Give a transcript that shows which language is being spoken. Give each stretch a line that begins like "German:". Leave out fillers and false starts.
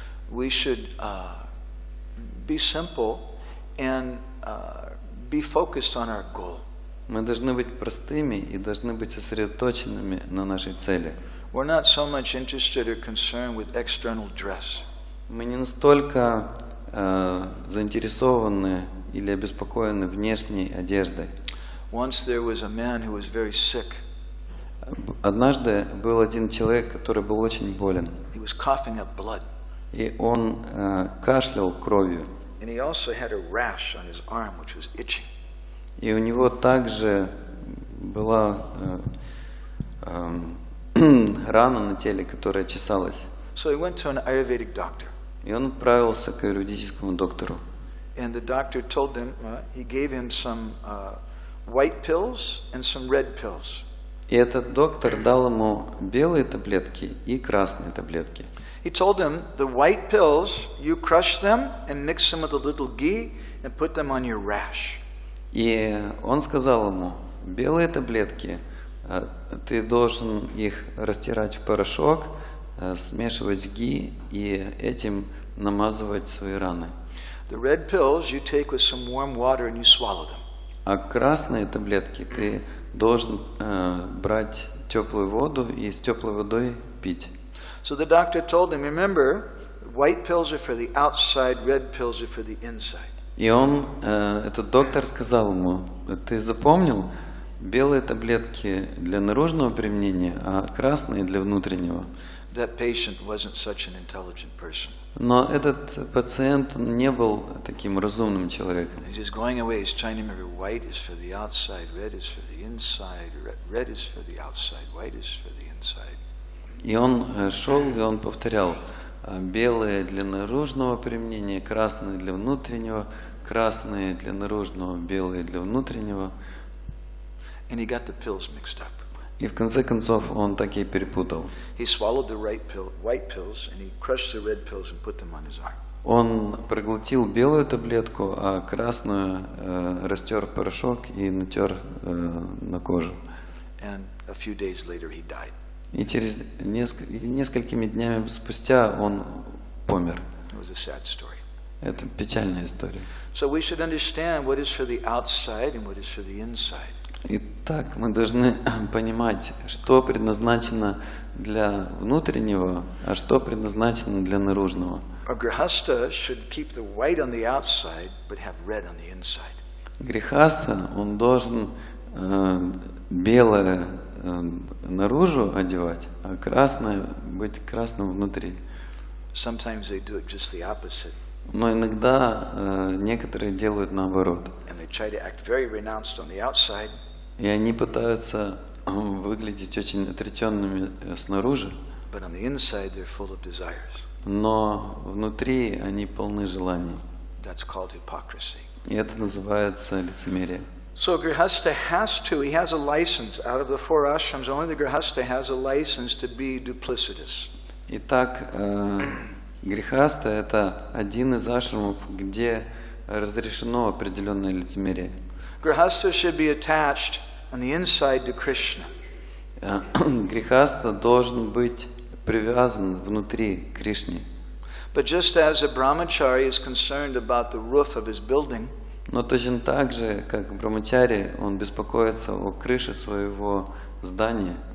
English: We should be simple and be focused on our goal.
Russian: Мы должны быть простыми и должны быть сосредоточенными на нашей цели.
English: We're not so much interested or concerned with external dress.
Russian: Мы не настолько заинтересованы или обеспокоены внешней одеждой.
English: Once there was a man who was very sick.
Russian: Однажды был один человек, который был очень болен.
English: He was coughing up blood.
Russian: И он кашлял кровью.
English: And he also had a rash on his arm, which was itching.
Russian: И у него также была рана на теле, которая чесалась.
English: So he went to an Ayurvedic doctor.
Russian: И он отправился к аюрведическому доктору.
English: And the doctor told him, he gave him some white pills and some red pills.
Russian: И этот доктор дал ему белые таблетки и красные таблетки.
English: He told him, the white pills, you crush them and mix them with a little ghee and put them on your rash.
Russian: И он сказал ему, белые таблетки, ты должен их растирать в порошок, смешивать с ги и этим намазывать свои раны.
English: The red pills you take with some warm water and you swallow them.
Russian: А красные таблетки ты должен брать теплую воду и с теплой водой пить.
English: So the doctor told him, remember, white pills are for the outside, red pills are for the inside.
Russian: И он, этот доктор сказал ему, ты запомнил? Белые таблетки для наружного применения, а красные для внутреннего.
English: That patient wasn't such an intelligent person.
Russian: Но этот пациент не был таким разумным человеком.
English: He's just going away. He's trying to remember: white is for the outside, red is for the inside, red is for the outside, white is for the inside.
Russian: И он шел и он повторял: белые для наружного применения, красные для внутреннего, красные для наружного, белые для внутреннего.
English: And he got the pills mixed up.
Russian: И в конце концов он так и перепутал.
English: He swallowed the right pill, white pills, and he crushed the red pills and put them on his arm.
Russian: Он проглотил белую таблетку, а красную растер порошок и натер на кожу.
English: And a few days later he died.
Russian: И через несколькими днями спустя он помер.
English: It was a sad story.
Russian: Это печальная история.
English: So we should understand what is for the outside and what is for the inside.
Russian: Итак, мы должны понимать, что предназначено для внутреннего, а что предназначено для наружного.
English: Грихастха should keep the white on the outside, but have red on the inside.
Russian: Грихастха, он должен белое наружу одевать, а красное быть красным внутри.
English: Sometimes they do it just the opposite.
Russian: Но иногда некоторые делают наоборот.
English: And they try to act very renounced on the outside.
Russian: И они пытаются выглядеть очень отреченными снаружи.
English: But on the inside they're full of desires.
Russian: Но внутри они полны желаний.
English: That's called hypocrisy.
Russian: И это называется лицемерие.
English: So grihastha has to, he has a license. Out of the four ashrams, only the grihastha has a license to be duplicitous.
Russian: Итак, грихастха это один из ашрамов, где разрешено определенное лицемерие.
English: Grihastha should be attached on the inside to Krishna.
Russian: Грихастха должен быть привязан внутри Кришне.
English: But just as a brahmachari is concerned about the roof of his building,
Russian: но точно так же, как брахмачари, он беспокоится о крыше своего здания.